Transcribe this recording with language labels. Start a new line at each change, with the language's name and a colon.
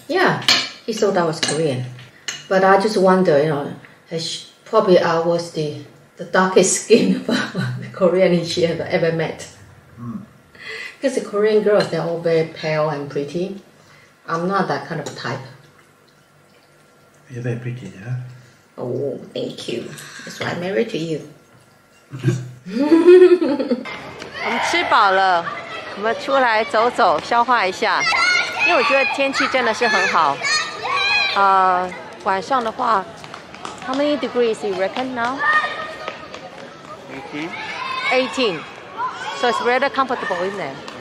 English: Yeah, he thought I was Korean. But I just wonder, you know, I was the darkest skin of a Korean she ever met. Because Korean girls, they're all very pale and pretty. I'm not that kind of type. You're very pretty, yeah? Oh, thank you. That's why I'm married to you.
Chinese: 我们吃饱了，我们出来走走，消化一下。因为我觉得天气真的是很好。
English: 晚上的话，How many degrees you reckon now? 18. So it's rather comfortable, isn't it?